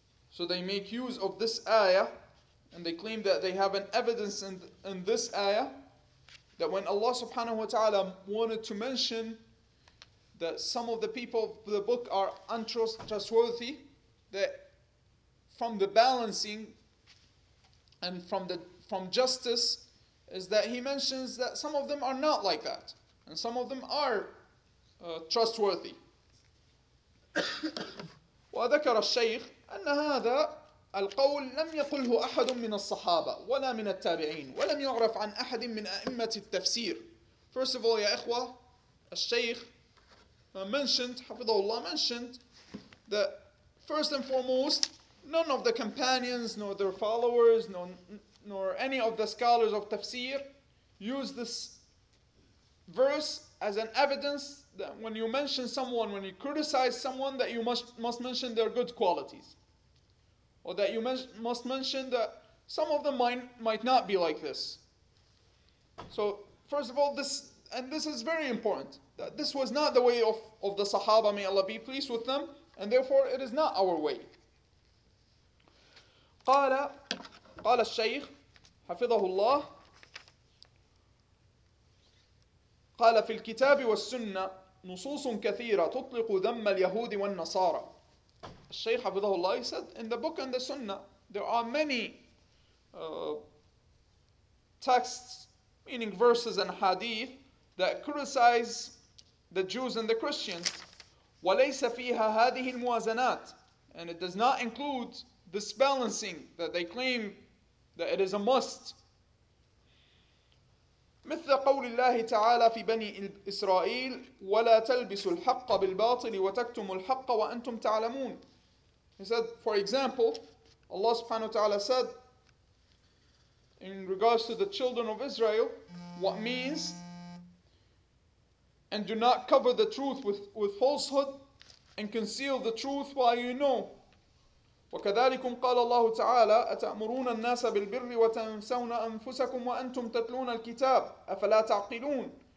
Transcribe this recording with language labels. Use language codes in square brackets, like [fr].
[en] So they make use of this ayah, and they claim that they have an evidence in this ayah, that when Allah subhanahu wa ta'ala wanted to mention that some of the people of the book are untrustworthy, that from the balancing and from justice is that he mentions that some of them are not like that and some of them are trustworthy. [ar] وذكر الشيخ ان هذا القول لم يقله احد من الصحابه ولا من التابعين ولم يعرف عن احد من ائمه التفسير. [en] First of all, [ar] يا اخوه، [en] الشيخ mentioned, [ar] حفظه الله, [en] mentioned that first and foremost none of the companions, nor their followers, nor any of the scholars of tafsir use this verse as an evidence that when you mention someone, when you criticize someone, that you must mention their good qualities. Or that you must mention that some of them might not be like this. So, first of all, this is very important, that this was not the way of the Sahaba, may Allah be pleased with them, and therefore it is not our way. [ar] قال الشيخ حفظه الله قال في الكتاب والسنة نصوص كثيرة تطلق ذم اليهود والنصارى. الشيخ حفظه الله [en] said in the book and the sunnah there are many texts, meaning verses and hadith, that criticize the Jews and the Christians. [ar] وليس فيها هذه الموازنات, [en] and it does not include this balancing that they claim that it is a must. [ar] مثل قول الله تعالى في بني إسرائيل ولا تلبسوا الحق بالباطل وتكتموا الحق وأنتم تعلمون. [en] He said, for example, Allah subhanahu wa ta'ala said in regards to the children of Israel, what means, and do not cover the truth with falsehood and conceal the truth while you know. [ar] وكذلكم قال الله تعالى أتأمرون الناس بالبر وتنسون أنفسكم وأنتم تتلون الكتاب أفلا تعقلون.